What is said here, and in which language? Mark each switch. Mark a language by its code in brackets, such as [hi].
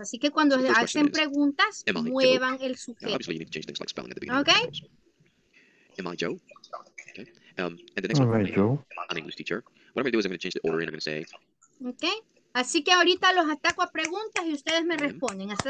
[es] Así que cuando hacen preguntas, muevan el sujeto. [en] Obviously, you need to change things like spelling at the beginning. Okay. Am I Joe? Okay. And the next All one, right, Joe. I'm an English teacher. What I'm going to do is I'm going to change the order and I'm going to say. Okay. [es] Así que ahorita los ataco a preguntas y ustedes me responden.